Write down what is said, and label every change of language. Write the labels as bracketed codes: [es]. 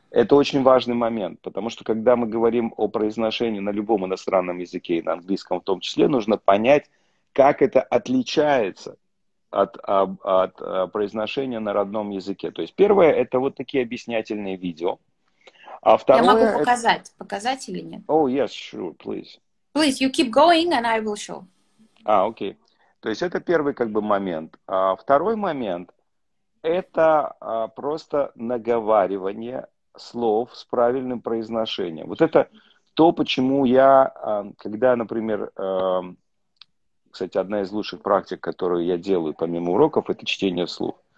[ru] Это очень важный момент, потому что когда мы говорим о произношении на любом иностранном языке и на английском в том числе, нужно понять, как это отличается от произношения на родном языке. То есть первое – это вот такие объяснятельные видео, а Я могу второе – это… показать. Показать или нет? [en] Oh, yes, sure, please. Please, you keep going and I will show. [ru] А, окей. То есть это первый как бы момент. А второй момент – это просто наговаривание слов с правильным произношением. Вот это то, почему я, когда, например, кстати, одна из лучших практик, которую я делаю помимо уроков, это чтение вслух.